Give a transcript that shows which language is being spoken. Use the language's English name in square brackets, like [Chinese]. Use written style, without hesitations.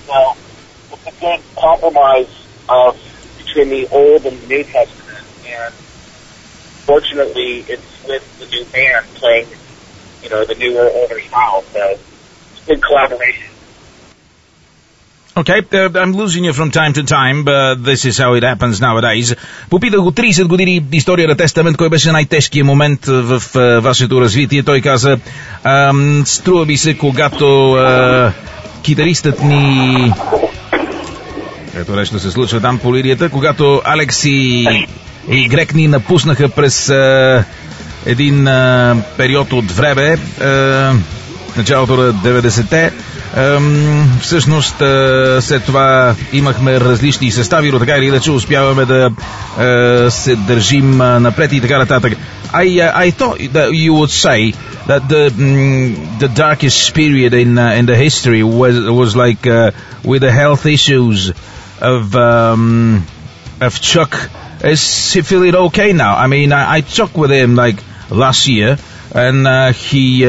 [English] Well, it's a good compromise of between the Old and the New Testament, and fortunately, it's with the new band playing, you know, the newer, older style, so it's a good collaboration. Okay, I'm losing you from time to time, but this is how it happens nowadays. [Bulgarian] Попитах го 30 години история на Тестамент, кой беше най-тежкият момент в вашето развитие. Той каза, струва ми се, когато китаристът ни... Ето нещо се случва там по лирията. Когато Алекс и Грек ни напуснаха през един период от време, началото на 90-те, всъщност след това имахме различни състави, но така или иначе успяваме да се държим напред и така нататък. [English] I thought that you would say that the darkest period in the history was like with the health issues of Chuck. Is he feeling okay now? I mean, I talked with him like last year and he